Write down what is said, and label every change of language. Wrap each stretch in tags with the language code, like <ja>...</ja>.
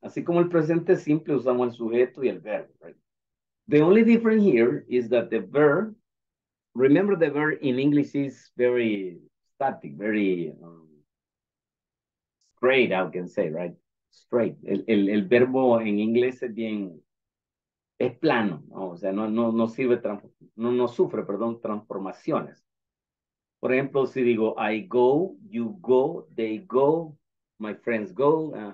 <es>Así como el presente simple, usamos el sujeto y el verbo, right?</es> <en>The only difference here is that the verb, remember the verb in English is very static, very straight, I can say, right? Straight.</en> <es>El verbo en inglés es bien, es plano, ¿no? O sea, no sufre transformaciones. Por ejemplo, si digo,</es> <en>I go, you go, they go, my friends go.</en>